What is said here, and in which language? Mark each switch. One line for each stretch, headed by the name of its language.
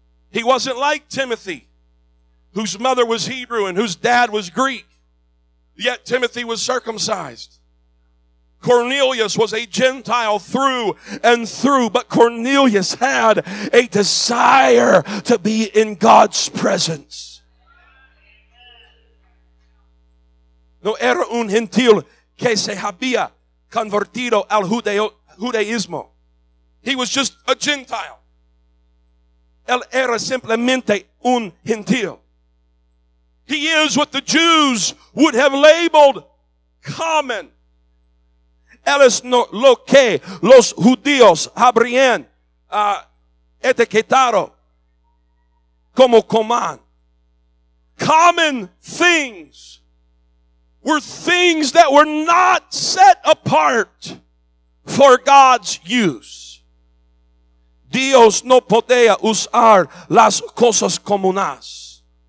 English: He wasn't like Timothy, whose mother was Hebrew and whose dad was Greek. Yet Timothy was circumcised. Cornelius was a Gentile through and through, but Cornelius had a desire to be in God's presence.
Spanish: No era un gentil que se había convertido al judaísmo.
English: He was just a Gentile.
Spanish: Él era simplemente un gentil.
English: He is what the Jews would have labeled common.
Spanish: Él es lo que los judíos habrían etiquetado como común.
English: Common things were things that were not set apart for God's use.
Spanish: Dios no podía usar las cosas comunes.